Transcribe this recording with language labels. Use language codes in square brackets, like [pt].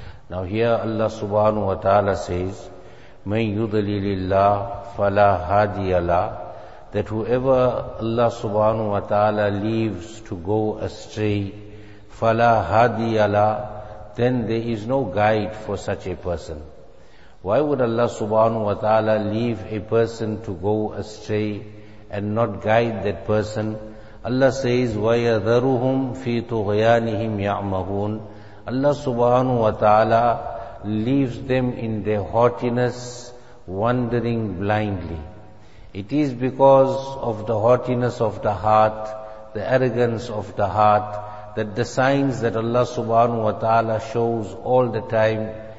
[en] Now here Allah subhanahu wa ta'ala says, [ar] مَنْ يُضْلِلِ اللَّهِ فَلَا هَادِيَ لَهِ, [en] that whoever Allah subhanahu wa ta'ala leaves to go astray, [ar] فَلَا هَادِيَ لَهِ, [en] then there is no guide for such a person. Why would Allah subhanahu wa ta'ala leave a person to go astray and not guide that person? [ar] Allah says, وَيَذَرُهُمْ فِي تُغْيَانِهِمْ يَعْمَهُونَ. [en] Allah subhanahu wa ta'ala leaves them in their haughtiness, wandering blindly. It is because of the haughtiness of the heart, the arrogance of the heart, that the signs that Allah subhanahu wa ta'ala shows all the time,